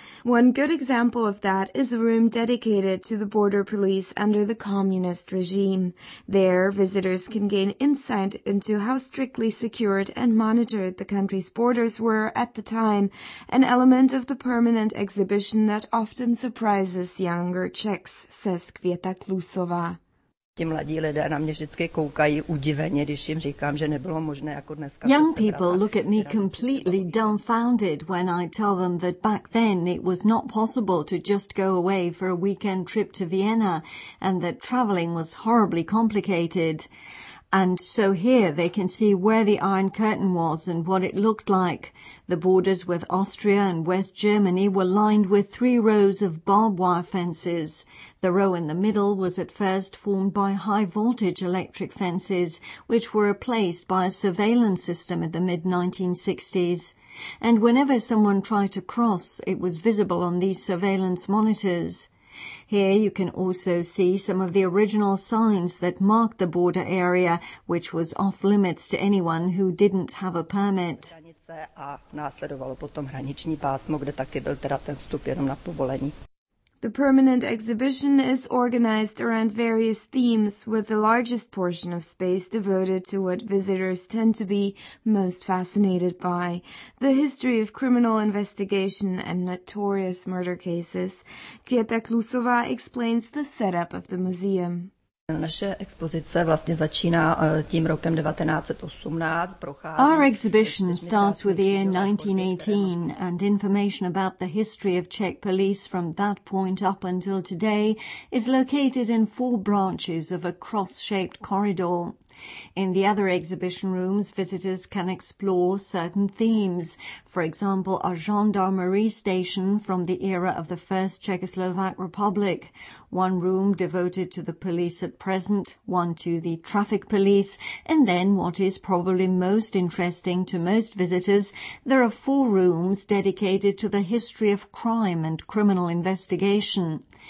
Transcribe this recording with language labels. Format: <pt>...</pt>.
<en>One good example of that is a room dedicated to the border police under the communist regime. There, visitors can gain insight into how strictly secured and monitored the country's borders were at the time, an element of the permanent exhibition that often surprises younger Czechs, says Květa Klusová.</en> <cs>Ti mladí lidé na mě vždycky koukají udiveně, když jim říkám, že nebylo možné jako dneska.</cs> <en>Young people look at me completely dumbfounded when I tell them that back then it was not possible to just go away for a weekend trip to Vienna and that traveling was horribly complicated. And so here they can see where the Iron Curtain was and what it looked like. The borders with Austria and West Germany were lined with three rows of barbed wire fences. The row in the middle was at first formed by high-voltage electric fences, which were replaced by a surveillance system in the mid-1960s. And whenever someone tried to cross, it was visible on these surveillance monitors. Here you can also see some of the original signs that marked the border area, which was off limits to anyone who didn't have a permit.</en> <cs>A následovalo potom hraniční pásmo, kde taky byl teda ten vstup jenom na povolení.</cs> <en>The permanent exhibition is organized around various themes, with the largest portion of space devoted to what visitors tend to be most fascinated by, the history of criminal investigation and notorious murder cases. Květa Klusová explains the setup of the museum.</en> <cs>Naše expozice vlastně začíná tím rokem 1918, prochází.</cs> <en>Our exhibition starts with the year 1918 and information about the history of Czech police from that point up until today is located in four branches of a cross-shaped corridor. In the other exhibition rooms, visitors can explore certain themes, for example, a gendarmerie station from the era of the First Czechoslovak Republic, one room devoted to the police at present, one to the traffic police, and then what is probably most interesting to most visitors, there are four rooms dedicated to the history of crime and criminal investigation.</en>